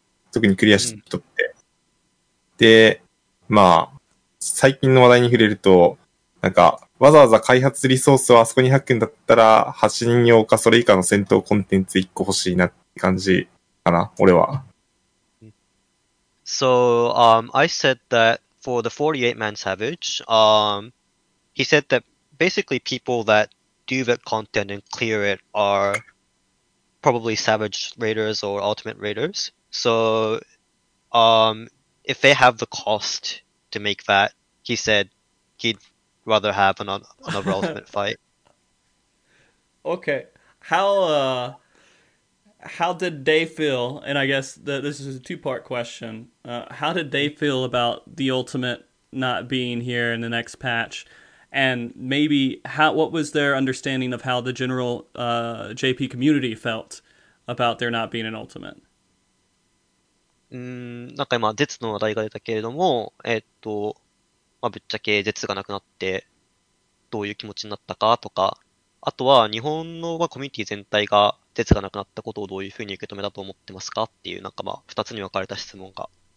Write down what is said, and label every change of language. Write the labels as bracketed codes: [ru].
[ja] 特にクリアした人って、うん。で、まあ、最近の話題に触れると、なんか、わざわざ開発リソースをあそこに吐くんだったら、8人用かそれ以下の戦闘コンテンツ1個欲しいなって感じかな、俺は。 [en] So, I said that for the 48-man Savage, He said that basically people that do that content and clear it are probably Savage Raiders or Ultimate Raiders. So, if they have the cost to make that, he said he'd rather have another Ultimate fight. Okay. How did they feel? And I guess this is a two-part question. How did they feel about the Ultimate not being here in the next patch? And maybe, what was their understanding of how the general JP community felt about there not being an ultimate? [ja] なんか今、絶の話題が出たけれども、まあ、ぶっちゃけ絶がなくなって、どういう気持ちになったかとか、あとは日本のコミュニティ全体が絶がなくなったことをどういうふうに受け止めたと思ってますかっていう、なんかまあ、二つに分かれた質問が。